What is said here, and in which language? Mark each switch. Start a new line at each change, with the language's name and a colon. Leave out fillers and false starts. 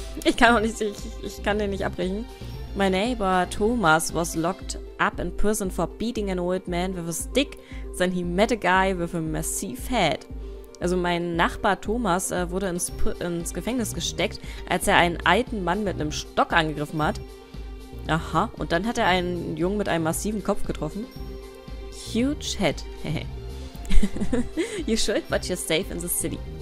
German: Ich kann auch nicht, ich kann den nicht abbrechen.
English: My neighbor Thomas was locked up in prison for beating an old man with a stick. Then he met a guy with a massive head.
German: Also mein Nachbar Thomas wurde ins Gefängnis gesteckt, als er einen alten Mann mit einem Stock angegriffen hat. Aha, und dann hat er einen Jungen mit einem massiven Kopf getroffen.
English: Huge head. You should, but you're safe in the city.